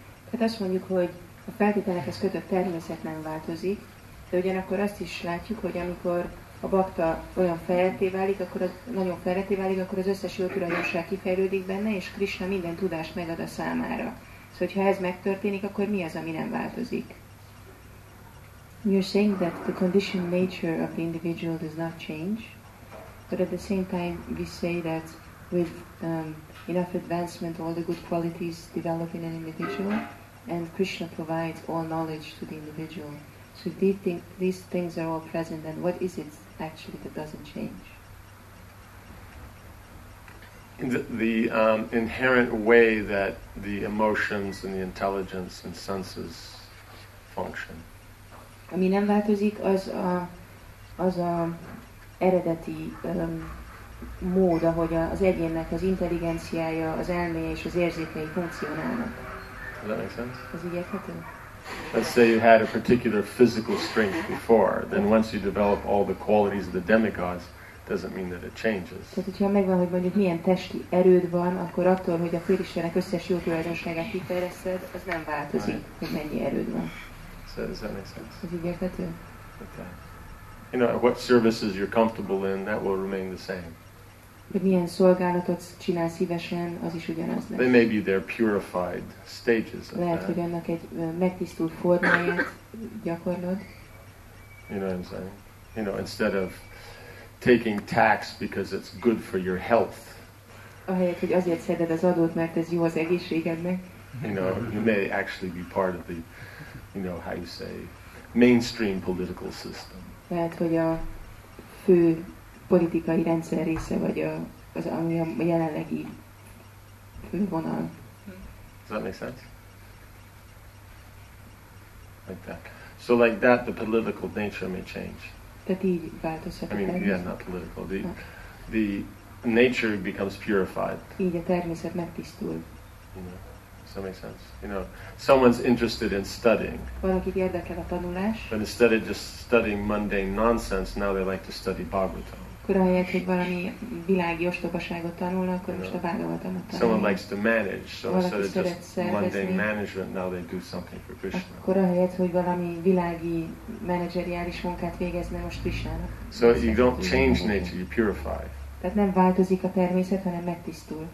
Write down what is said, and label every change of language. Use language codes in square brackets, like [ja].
[hu] Tehát azt mondjuk, hogy a feltételekhez kötött természet nem változik, de ugyanakkor azt is látjuk, hogy amikor a bakta olyan fejletté válik, akkor az, nagyon fejletté válik, akkor az összes jó tulajdonság kifejlődik benne, és Krisna minden tudást megad a számára. Szóval, hogyha ez megtörténik, akkor mi az, ami nem változik? [en] You're saying that the conditioned nature of the individual does not change, but at the same time we say that with enough advancement all the good qualities develop in an individual, and Krishna provides all knowledge to the individual. So these things are all present, and what is it actually that doesn't change? In the inherent way that the emotions and the intelligence and senses function. [hu] Ami nem változik, az a eredeti mód, ahogy az egyénnek az intelligenciája, az elméje és az érzékei funkcionálnak. [en] Does that make sense? Let's say you had a particular physical strength before, then once you develop all the qualities of the demigods, doesn't mean that it changes. [hu] Tehát, hogyha megvan, hogy mondjuk milyen testi erőd van, akkor attól, hogy a félistenek összes jó tulajdonságát kifejleszted, az nem változik, right, hogy mennyi erőd van. [en] So does that make sense? [hu] Ez így érthető? [en] Okay. You know, what services you're comfortable in, that will remain the same. [hu] Hogy milyen szolgálatot csinál szívesen, az is ugyanaz lesz. [en] They may be their purified stages. [hu] Lehet, hogy annak egy megtisztult formáját gyakorlod. [en] You know what I'm saying? You know, instead of taking tax because it's good for your health. [hu] Ahelyett, hogy azért szeded az adót, mert ez jó az egészségednek. [en] You know, you may actually be part of the, you know, how you say, mainstream political system. [hu] Lehet, hogy a fő politikai rendszer része vagy az ami a jelenlegi fővonal. [en] Does that make sense? Like that. So like that, the political nature may change. [hu] Tehát így változhat. [en] I mean, yeah, not political. The nature becomes purified. [hu] Így a természet megtisztul. [en] That makes sense. You know, someone's interested in studying. [hu] Valakit érdekel a tanulás. [en] But instead of just studying mundane nonsense, now they like to study Bhagavatam. [hu] Akkor ahelyett, hogy valami világi ostobaságot tanulna, akkor most a Bhagavatamot tanulja. [en] Someone likes to manage, so instead of just mundane management, now they do something for Krishna. [hu] Akkor ahelyett, hogy valami világi menedzseriális munkát végezne most Krishnának. [en] So you don't change nature, you purify. [hu] Tehát nem változik a természet, hanem megtisztul.